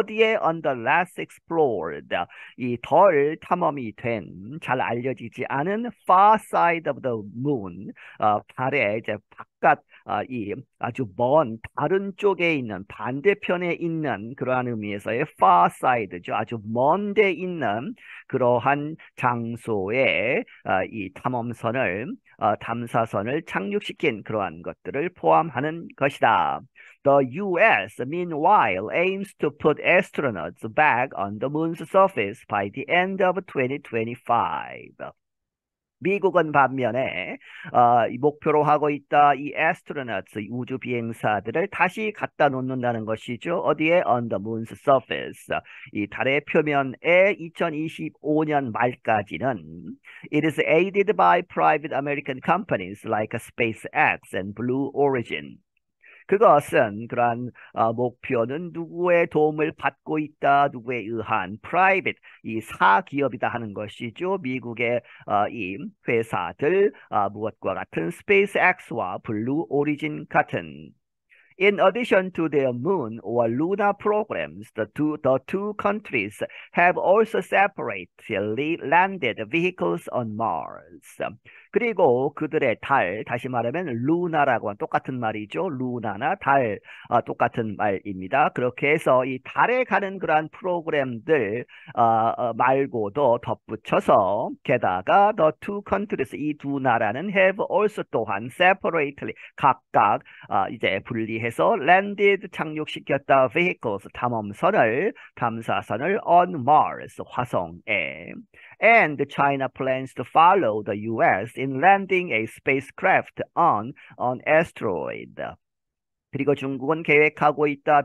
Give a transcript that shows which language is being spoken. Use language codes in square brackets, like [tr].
[ko] 어디에 [en] on the last explored [ko] 이덜 탐험이 된잘 알려지지 않은 [en] far side of the moon [ko] 달의 이제 바깥 이 아주 먼 다른 쪽에 있는 반대편에 있는 그러한 의미에서의 far side죠. 아주 먼데 있는 그러한 장소에 이 탐험선을 탐사선을 착륙시킨 그러한 것들을 포함하는 것이다. [en] The US, meanwhile, aims to put astronauts back on the moon's surface by the end of 2025. [ko] 미국은 반면에 목표로 하고 있다. 이 애스트로넛스 우주 비행사들을 다시 갖다 놓는다는 것이죠. 어디에? [en] On the moon's surface. [ko] 이 달의 표면에 2025년 말까지는 [en] It is aided by private American companies like SpaceX and Blue Origin. [ko] 그것은 그러한 목표는 누구의 도움을 받고 있다, 누구에 의한 프라이빗 이 사기업이다 하는 것이죠. 미국의 이 회사들 무엇과 같은 스페이스X와 블루 오리진 같은. [en] In addition to their moon or lunar programs, the two countries have also separately landed vehicles on Mars. [ko] 그리고 그들의 달, 다시 말하면 루나라고 하면 똑같은 말이죠. 루나나 달, 똑같은 말입니다. 그렇게 해서 이 달에 가는 그러한 프로그램들 말고도 덧붙여서 게다가 [en] the two countries, [ko] 이두 나라는 [en] have also [ko] 또한 separately, 각각 이제 분리해서 landed, 착륙시켰다, vehicles, 탐험선을, 탐사선을 [en] on Mars, [ko] 화성에. [en] And China plans to follow the US in landing a spacecraft on asteroid. [ko] 그리고 중국은 계획하고 있다.